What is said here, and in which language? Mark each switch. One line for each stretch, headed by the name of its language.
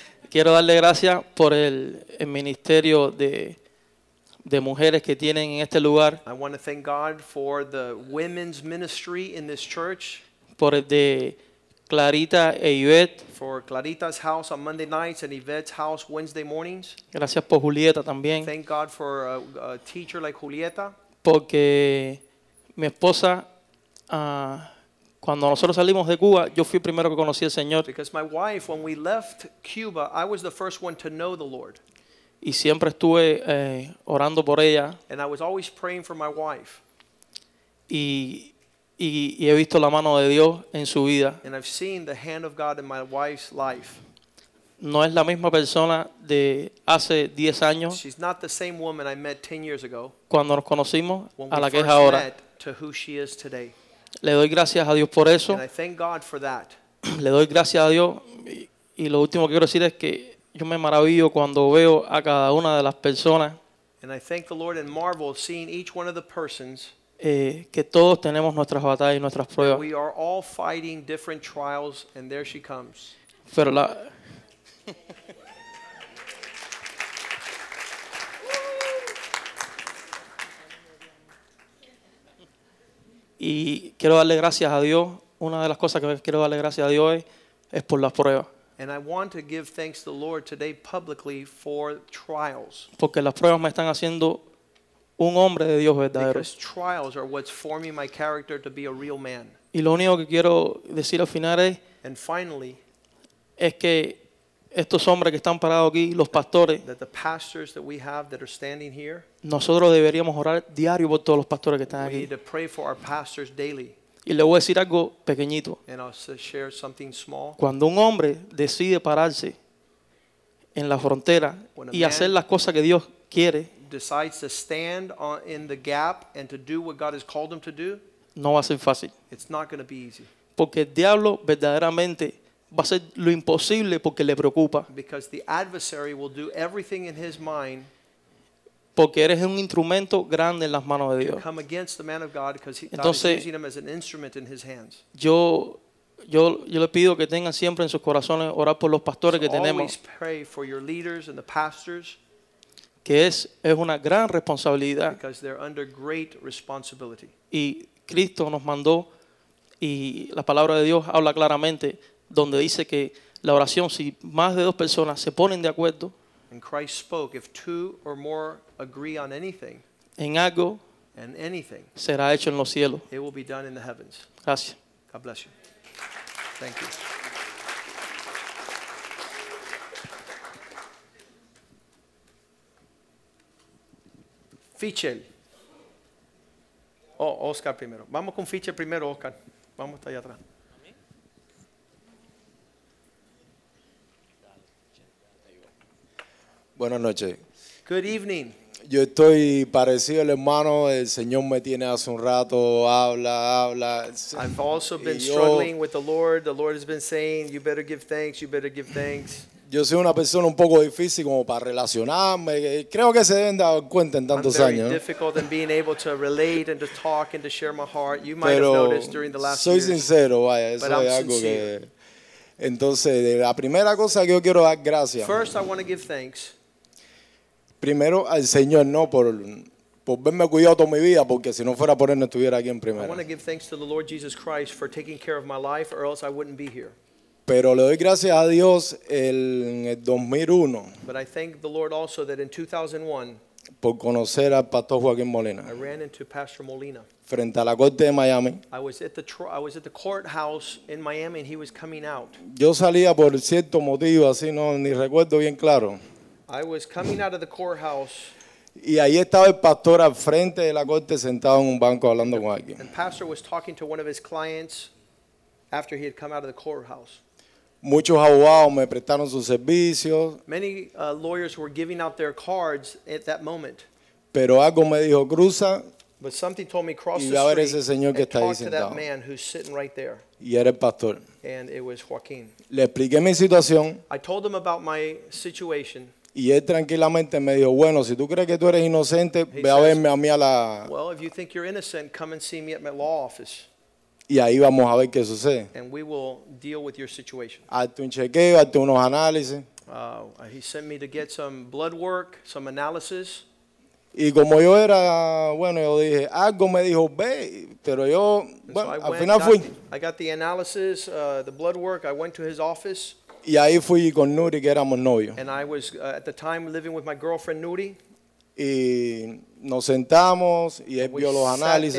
Spanish: Quiero darle gracias por el ministerio de mujeres que tienen en este lugar.
English: I want to thank God for the women's ministry in this church.
Spanish: Por el de Clarita e Yvette.
English: For Clarita's house on Monday nights and Yvette's house Wednesday mornings.
Spanish: Gracias por Julieta también.
English: Thank God for a teacher like Julieta.
Spanish: Porque mi esposa, cuando nosotros salimos de Cuba, yo fui el primero que conocí al Señor.
English: Because my wife, when we left Cuba, I was the first one to know the Lord.
Spanish: y siempre estuve orando por ella.
English: And I was always praying for my wife.
Spanish: Y he visto la mano de Dios en su vida.
English: And I've seen the hand of God in my wife's life.
Spanish: No es la misma persona de hace 10 años.
English: She's not the same woman I met 10 years ago.
Spanish: Cuando nos conocimos a la que es ahora.
English: To who she is today.
Spanish: Le doy gracias a Dios por eso.
English: And I thank God for that.
Spanish: Le doy gracias a Dios y lo último que quiero decir es que yo me maravillo cuando veo a cada una de las personas.
English: And I thank the Lord and marvel seeing each one of the persons.
Spanish: Que todos tenemos nuestras batallas y nuestras pruebas.
English: We are all fighting different trials and there she comes.
Spanish: Pero la y quiero darle gracias a Dios. Una de las cosas que quiero darle gracias a Dios hoy es por las pruebas.
English: And I want to give thanks to the Lord today publicly for trials.
Spanish: Porque las pruebas me están haciendo un hombre de Dios verdadero.
English: Because trials are what's forming my character to be a real man.
Spanish: Y lo único que quiero decir al final es,
English: and finally,
Spanish: es que estos hombres que están parados aquí, los pastores,
English: that the pastors that we have that are standing here,
Spanish: nosotros deberíamos orar diario por todos los pastores que están aquí.
English: We need to pray for our pastors daily.
Spanish: Y le voy a decir algo pequeñito.
English: And I'll share something small.
Spanish: Cuando un hombre decide pararse en la frontera y hacer las cosas que Dios quiere,
English: decides to stand on, in the gap and to do what God has called him to do,
Spanish: no va a ser fácil.
English: It's not going to be easy.
Spanish: Porque el diablo verdaderamente va a hacer lo imposible porque le preocupa.
English: Because the adversary will do everything in his mind.
Spanish: Porque eres un instrumento grande en las manos de Dios.
English: Come against the man of God because he,
Spanish: entonces,
English: God is using him as an instrument in his hands.
Spanish: Yo le pido que tengan siempre en sus corazones orar por los pastores que tenemos.
English: Always pray for your leaders and the pastors.
Spanish: Que es una gran responsabilidad.
English: Because they're under great responsibility.
Spanish: Y Cristo nos mandó y la palabra de Dios habla claramente. Donde dice que la oración, si más de dos personas se ponen de acuerdo,
English: and Christ spoke, if two or more agree on anything,
Spanish: en algo,
English: and anything,
Spanish: será hecho en los cielos.
English: It will be done in the heavens.
Spanish: Gracias.
English: God bless you. Thank you.
Spanish: Fichel. Oh, Oscar primero. Vamos con Fichel primero, Oscar. Vamos hasta allá atrás. Buenas noches.
English: Good evening.
Spanish: Yo estoy parecido al hermano, el Señor me tiene hace un rato, habla.
English: I've also been struggling with the Lord. The Lord has been saying, you better give thanks.
Spanish: Yo soy una persona un poco difícil como para relacionarme. Creo que se deben dar cuenta en tantos años.
English: I'm very difficult in being able to relate and to talk and to share my heart. You might have noticed during the last
Spanish: soy sincero, vaya, eso es algo que... Entonces, la primera cosa que yo quiero dar gracias.
English: First, I want to give thanks.
Spanish: Primero al Señor, no por verme cuidado toda mi vida, porque si no fuera por él no estuviera aquí en primera.
English: I want to give thanks to the Lord Jesus Christ for taking care of my life, or else I wouldn't be here.
Spanish: Pero le doy gracias a Dios en el 2001.
English: But I thank the Lord also that in 2001.
Spanish: Por conocer al Pastor Joaquín Molina.
English: I ran into Pastor Molina.
Spanish: Frente a la corte de Miami.
English: I was at the courthouse in Miami and he was coming out.
Spanish: Yo salía por cierto motivo, así no ni recuerdo bien claro.
English: I was coming out of the courthouse.
Spanish: Y ahí estaba el pastor al frente de la corte sentado en un banco hablando con alguien.
English: And pastor was talking to one of his clients after he had come out of the courthouse.
Spanish: Muchos abogados me prestaron sus servicios.
English: Many lawyers were giving out their cards at that moment.
Spanish: Pero algo me dijo, cruza.
English: But something told me, cross
Spanish: y
English: the street
Spanish: ese señor que
English: and talk to
Spanish: sentado.
English: That man who's sitting right there.
Spanish: Y era el pastor.
English: And it was Joaquín.
Spanish: Le expliqué mi situación.
English: I told him about my situation.
Spanish: Y él tranquilamente me dijo, bueno, si tú crees que tú eres inocente,
English: he
Spanish: ve
English: says,
Spanish: a verme a mí a la...
English: Well, if you think you're innocent, come and see me at my law office.
Spanish: Y ahí vamos a ver qué sucede.
English: And we will deal with your situation.
Spanish: Hazte un chequeo, hazte unos análisis.
English: He sent me to get some blood work, some analysis.
Spanish: Y como yo era, bueno, yo dije, algo me dijo, ve, pero yo, bueno,
English: so
Spanish: al final fui.
English: I got the analysis, the blood work, I went to his office.
Spanish: Y ahí fui con Nuri, que éramos novios.
English: And I was, at the time, living with my girlfriend, Nuri.
Spanish: Y nos sentamos, y él vio los análisis.